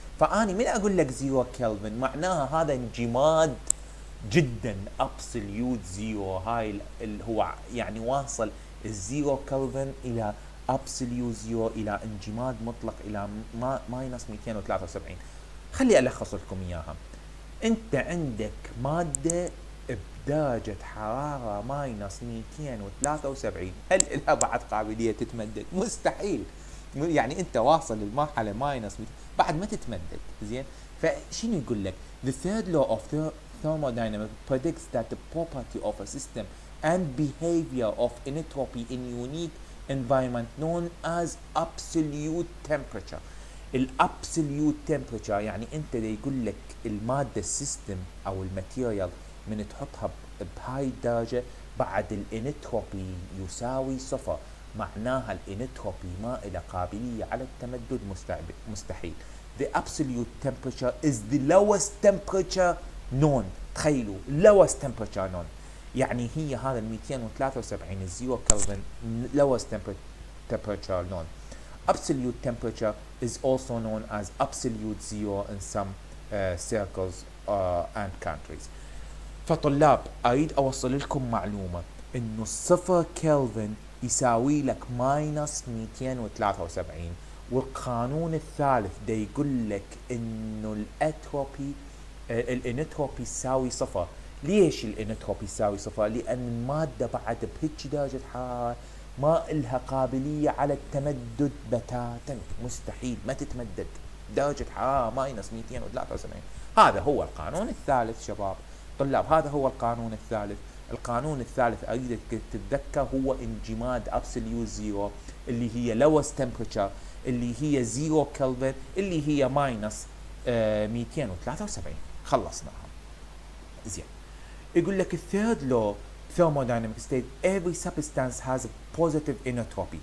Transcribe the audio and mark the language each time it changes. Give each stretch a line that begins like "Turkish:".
Arabic: فاني من اقول لك زيرو كلفن معناها هذا انجماد جدا ابسوليوت زيرو، هاي هو يعني واصل الزيرو كلفن الى ابسوليوت زيرو الى انجماد مطلق الى ماينس 273. خلي الخص لكم اياها، انت عندك ماده درجة حرارة ماينس 273، هل لها بعد قابلية تتمدد؟ مستحيل، يعني أنت واصل للمرحلة ماينس 200 بعد ما تتمدد. زين فشين يقول لك
English: the third law of thermodynamics predicts that the property of a system and behavior of entropy in unique environment known as absolute temperature.
Arabic: الabsolute temperature يعني أنت دي يقول لك المادة system أو الماتيريال من تحطها بهاي الدرجة بعد الانتروبي يساوي صفر، معناها الانتروبي ما إلى قابلية على التمدد، مستحيل.
English: The absolute temperature is the lowest temperature known.
Arabic: تخيلوا
English: lowest temperature known
Arabic: يعني هي هذا 273 الزيرو كلفن lowest temperature known.
English: Absolute temperature is also known as absolute zero in some circles and countries.
Arabic: فطلاب أريد أوصل لكم معلومة إنه الصفر كلفن يساوي لك ماينس 273، والقانون الثالث ده يقول لك إنه الأنتروبي الإنتروبي يساوي صفر. ليش الإنتروبي يساوي صفر؟ لأن المادة بعد بهيج درجة حرارة ما إلها قابلية على التمدد بتاتا، مستحيل ما تتمدد درجة حرارة ماينس 273. هذا هو القانون الثالث شباب طلاب، هذا هو القانون الثالث. القانون الثالث أريدك تتذكر هو انجماد
English: absolute zero
Arabic: اللي هي
English: lowest temperature
Arabic: اللي هي
English: zero kelvin
Arabic: اللي هي
English: minus 273.
Arabic: خلصناها. زين يقول لك الثيرد لو
English: thermodynamics state every substance has a positive entropy.